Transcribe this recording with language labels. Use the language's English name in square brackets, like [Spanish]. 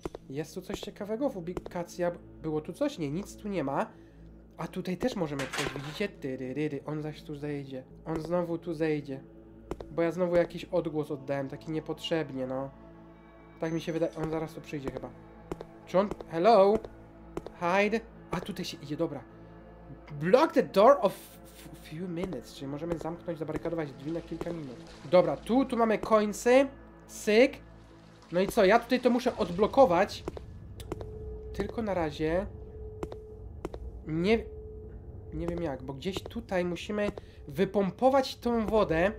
[Polish] Jest tu coś ciekawego? W ubikacja było tu coś? Nie, nic tu nie ma. A tutaj też możemy coś, widzicie? Tyryryry, on zaś tu zejdzie. On znowu tu zejdzie. Bo ja znowu jakiś odgłos oddałem, taki niepotrzebnie, no. Tak mi się wydaje, on zaraz tu przyjdzie chyba. Czy on... [English] Hello? Hide? [Polish] A tutaj się idzie, dobra. [English] Block the door of few minutes. [Polish] Czyli możemy zamknąć, zabarykadować drzwi na kilka minut. Dobra, tu mamy końce. Cyk. No i co, ja tutaj to muszę odblokować. Tylko na razie nie wiem jak, bo gdzieś tutaj musimy wypompować tą wodę.